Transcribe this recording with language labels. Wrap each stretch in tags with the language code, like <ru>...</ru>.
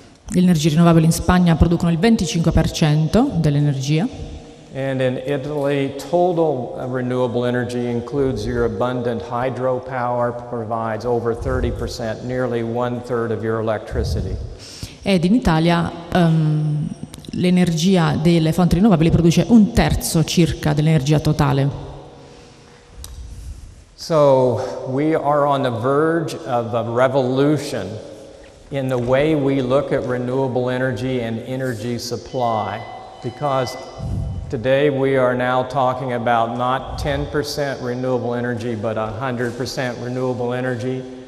<it>Le energie rinnovabili in Spagna producono il 25% dell'energia.</it> <en>And in Italy, total renewable energy includes your abundant hydropower, provides over 30%, nearly one-third of your electricity.</en> <it>Ed in Italia l'energia delle fonti rinnovabili produce un terzo circa dell'energia totale.</it> <en>So we are on the verge of a revolution in the way we look at renewable energy and energy supply, because today we are now talking about not 10% renewable energy, but 100% renewable energy.</en>